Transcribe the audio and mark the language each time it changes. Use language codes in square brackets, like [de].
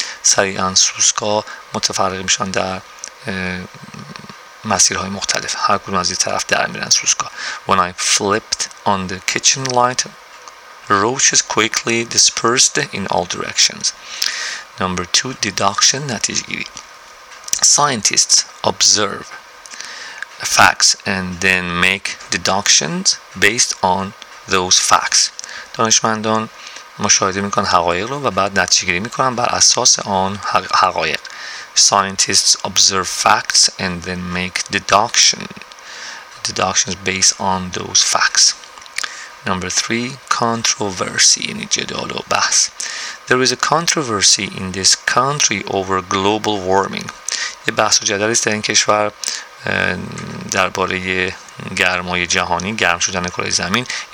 [fa] سریعا سوسکا متفرق میشن در مسیرهای مختلف، هر کدوم از این طرف در میرن سوسکا. [en] When I flipped on the kitchen light, roaches quickly dispersed in all directions. Number two, deduction, [fa] نتیجه گیری. [en] Scientists observe facts and then make deductions based on those facts. [fa] دانشمندان مشاهده میکنن حقایق رو و بعد نتیجه گیری میکنن بر اساس آن حقایق. [en] Scientists observe facts and then make deductions based on those facts. Number three, controversy, [fa] یعنی جدال و بحث. [en] There is a controversy in this country over global warming. [fa] یه بحث و جدلی است در این کشور درباره گرمای جهانی، گرم شدن کره زمین.